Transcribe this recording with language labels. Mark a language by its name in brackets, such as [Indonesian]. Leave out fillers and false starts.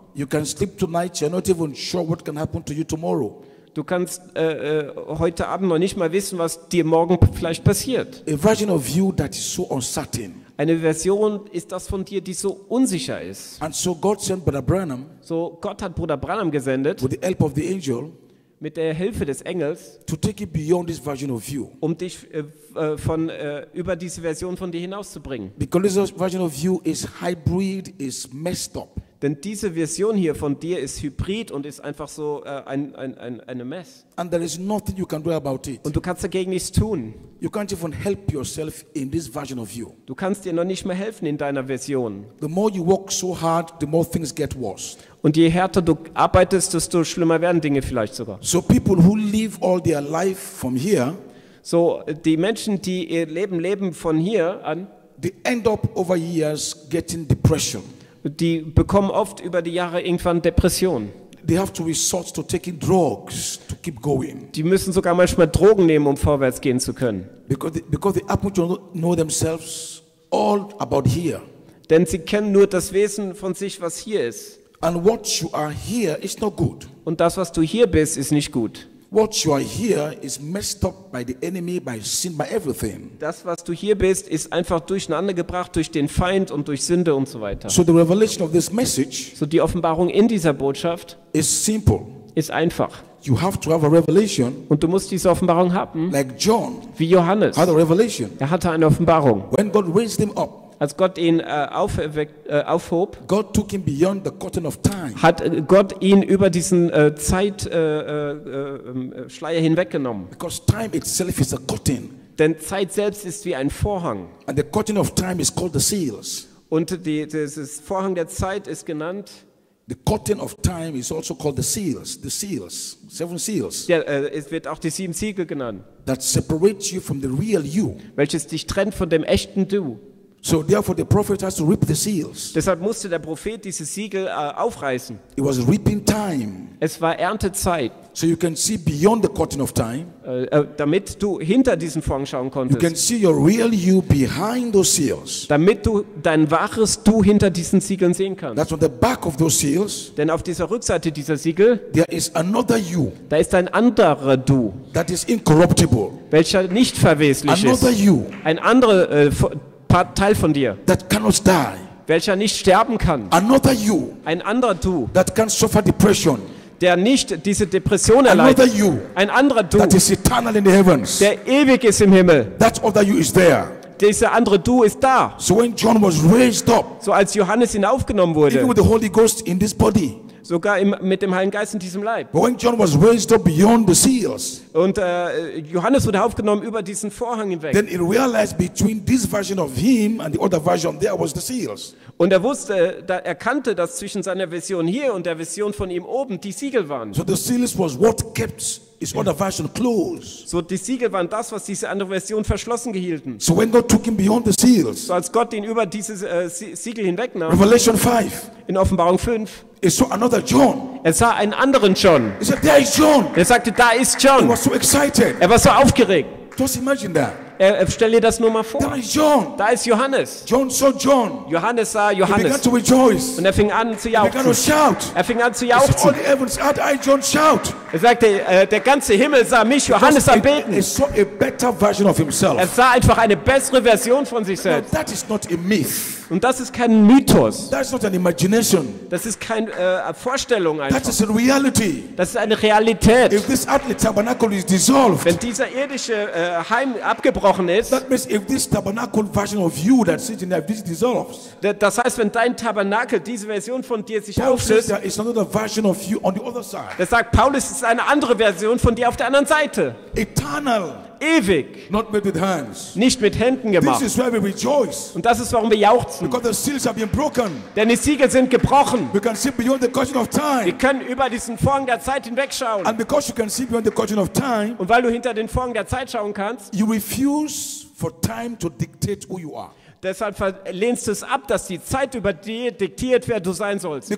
[English] You can sleep tonight, you're not even sure what can happen to you tomorrow. [German] Du kannst heute Abend noch nicht mal wissen, was dir morgen vielleicht passiert. [English] A version of you that is so uncertain. [German] Eine Version ist das von dir, die so unsicher ist. [English] And so God sent Brother Branham. [German] So Gott hat Bruder Branham gesendet. [English] With the help of the angel. [German] Mit der Hilfe des Engels, [English] to take it beyond this version of you. [German] Um dich von über diese Version von dir hinauszubringen. [English] Because this version of you is hybrid, is messed up. [German] Denn diese Version hier von dir ist hybrid und ist einfach so eine Mess. [English] And there is nothing you can do about it. [German] Und du kannst dagegen nichts tun. [English] You can't even help yourself in this version of you. [German] Du kannst dir noch nicht mehr helfen in deiner Version. [English] The more you work so hard, the more things get worse. [German] Und je härter du arbeitest, desto schlimmer werden Dinge vielleicht sogar. [English] So people who live all their life from here, [German] so die Menschen, die ihr Leben leben von hier an, [English] they end up over years getting depression. [German] Die bekommen oft über die Jahre irgendwann Depressionen. [English] They have to resort to taking drugs to keep going. [German] Die müssen sogar manchmal Drogen nehmen, um vorwärts gehen zu können. [English] Because they happen to know themselves all about here. [German] Denn sie kennen nur das Wesen von sich, was hier ist. [English] And what you are here is not good. [German] Und das, was du hier bist, ist nicht gut. [English] What you are here is messed up by the enemy, by sin, by everything. [German] Das, was du hier bist, ist einfach durcheinandergebracht durch den Feind und durch Sünde und so weiter. [English] So the revelation of this message. [German] So die Offenbarung in dieser Botschaft. [English] Is simple. [German] Ist einfach. [English] You have to have a revelation. [German] Und du musst diese Offenbarung haben. [English] Like John. [German] Wie Johannes. [English] Had a revelation. [German] Er hatte eine Offenbarung. [English] When God raised him up. [German] Als Gott ihn aufhob, [English] God took him beyond the curtain of time. [German] Hat Gott ihn über diesen Zeitschleier hinweggenommen. [English] Because time itself is a curtain. [German] Denn Zeit selbst ist wie ein Vorhang. [English] And the curtain of time is called the seals. [German] Und dieses Vorhang der Zeit ist genannt. [English] The curtain of time is also called the seals. The seals, seven seals. [German] Ja, es wird auch die sieben Siegel genannt. [English] That separates you from the real you. [German] Welches dich trennt von dem echten Du. [English] So therefore the prophet has to rip the seals. [German] Deshalb musste der Prophet diese Siegel aufreißen. [English] It was reaping time. [German] Es war Erntezeit. [English] So you can see beyond the curtain of time. [German] Damit du hinter diesen Vorhang schauen konntest. [English] You can see your real you behind those seals. [German] Damit du dein wahres Du hinter diesen Siegeln sehen kannst. [English] That's on the back of those seals. [German] Denn auf dieser Rückseite dieser Siegel, [English] there is another you. [German] Da ist ein anderer Du. [English] That is incorruptible. [German] Welcher nicht verweslich ist. [English] Another you. [German] Ein anderer Teil von dir, [English] that cannot die. [German] Welcher nicht sterben kann. [English] Another you, [German] ein anderer Du, [English] that can suffer depression. [German] Der nicht diese Depression erleidet. [English] Another you, [German] ein anderer Du, [English] that is eternal in the heavens. [German] Der ewig ist im Himmel. [English] That other you is there. [German] Dieser andere Du ist da. [English] So, when John was raised up, [German] so als Johannes ihn aufgenommen wurde, [English] even with the Holy Ghost in this body, [German] Sogar mit dem Heiligen Geist in diesem Leib. [English] But when John was raised up beyond the seals. [German] Und Johannes wurde aufgenommen über diesen Vorhang hinweg. [English] Then he realized between this version of him and the other version there was the seals. [German] Und er wusste, da erkannte, dass zwischen seiner Vision hier und der Vision von ihm oben die Siegel waren. [English] So the seals was what kept his other version closed. [German] So die Siegel waren das, was diese andere Version verschlossen gehielten. [English] So when God took him beyond the seals. [German] So als Gott ihn über dieses Siegel hinwegnahm. [English] Revelation 5. [German] In Offenbarung 5. [English] He saw another John. [German] Er sah einen anderen John. [English] He said, "There is John." [German] Er sagte, da ist John. [English] He was so excited. [German] Er war so aufgeregt. [English] Just imagine that. [German] Stell dir das nur mal vor. [English] There is John. [German] Da ist Johannes. [English] John saw John. [German] Johannes sah Johannes. [English] He began to rejoice. [German] Und er fing an zu jauchzen. [English] He began to shout. [German] Er fing an zu jauchzen. [English] All the heavens heard I, John, shout. [German] Er sagte, der ganze Himmel sah mich, Johannes, am Beten. [English] He saw a better version of himself. [German] Er sah einfach eine bessere Version von sich selbst. [English] Now, that is not a myth. [German] Und das ist kein Mythos. [English] That is not an imagination. [German] Das ist keine Vorstellung einfach. [English] That is a reality. [German] Das ist eine Realität. [English] If this earthly tabernacle is dissolved, [German] wenn dieser irdische Heim abgebrochen ist, [English] that means if this tabernacle version of you that sits in there, this dissolves. [German] Das heißt, wenn dein Tabernakel, diese Version von dir, sich auflöst, [English] there is another version of you on the other side. [German] Das sagt Paulus, ist eine andere Version von dir auf der anderen Seite. [English] Eternal. [German] Ewig. [English] Not made with hands. [German] Nicht mit Händen gemacht. [English] This is why we rejoice. [German] Und das ist, warum wir jauchzen. [English] Because the seals have been broken. [German] Denn die Siegel sind gebrochen. [English] We can see beyond the curtain of time. [German] Wir können über diesen Vorhang der Zeit hinwegschauen. [English] And because you can see beyond the curtain of time, [German] und weil du hinter den Vorhang der Zeit schauen kannst, [English] you refuse for time to dictate who you are. [German] Deshalb lehnst du es ab, dass die Zeit über dir diktiert, wer du sein sollst.